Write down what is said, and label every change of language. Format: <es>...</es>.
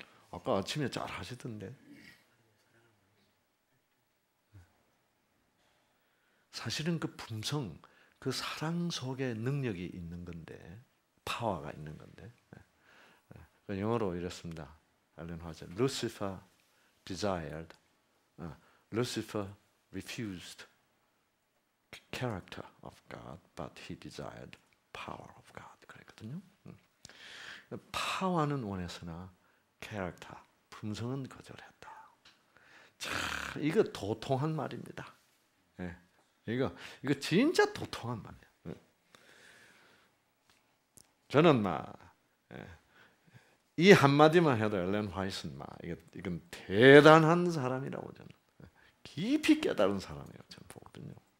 <ko>아까 아침에 잘 하시던데. 사실은 그 품성 그 사랑 속에 능력이 있는 건데, 파워가 있는 건데. 영어로 이랬습니다. 엘렌 화이트.</ko> <en>Lucifer desired, Lucifer refused character of God, but he desired power of God.</en> <ko>그랬거든요. 파워는 원했으나 character, 품성은 거절했다. 자, 이거 도통한 말입니다. 이거 진짜 도통한 말이에요. 저는 이 한마디만 해도 엘렌 화이트는 이건 대단한 사람이라고 저는 깊이 깨달은 사람이라고 저는 보거든요.</ko>